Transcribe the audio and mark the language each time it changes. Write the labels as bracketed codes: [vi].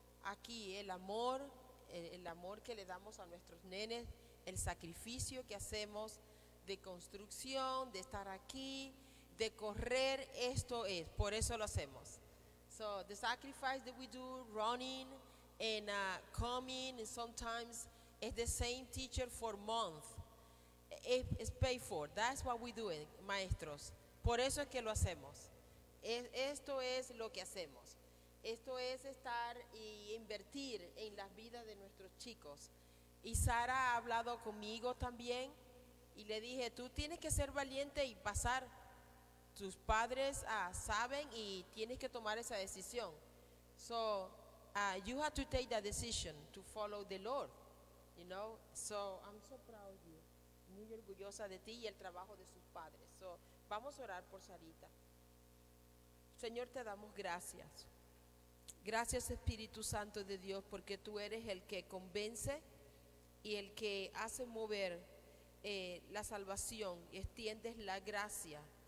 [es] aquí el amor que le damos a nuestros nenes, el sacrificio que hacemos de construcción, de estar aquí, de correr, esto es, por eso lo hacemos. [en] So the sacrifice that we do, running and coming, and sometimes it's the same teacher for months. It's paid for. That's what we do, maestros. [es] Por eso es que lo hacemos. Esto es lo que hacemos. Esto es estar y invertir en las vidas de nuestros chicos. Y Sara ha hablado conmigo también y le dije, tú tienes que ser valiente y pasar. Tus padres saben y tienes que tomar esa decisión. [en] So, you have to take that decision to follow the Lord, you know. So, I'm so proud of you. [es] Muy orgullosa de ti y el trabajo de sus padres. So, vamos a orar por Sarita. Señor, te damos gracias. Gracias, Espíritu Santo de Dios, porque tú eres el que convence y el que hace mover la salvación y extiendes la gracia.